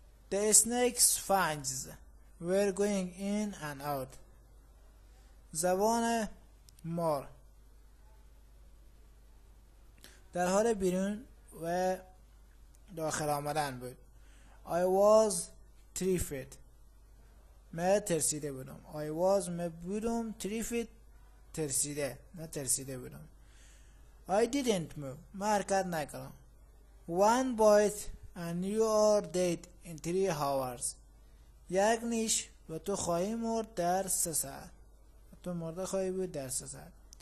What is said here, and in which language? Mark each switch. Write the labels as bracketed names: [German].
[English] The snake's fangs were going in and out. [Persian] زبان مار در حال بیرون و داخل آمدن بود. [English] I was terrified. [Persian] من ترسیده بودم. I was من بودم terrified ترسیده. من ترسیده بودم. [English] I didn't move. [Persian] من حرکت نکردم. [English] One bite and you are dead in 3 hours. [Persian] یک نیش و تو خواهی مرد در 3 ساعت. تو مرده خواهی بود در 3 ساعت.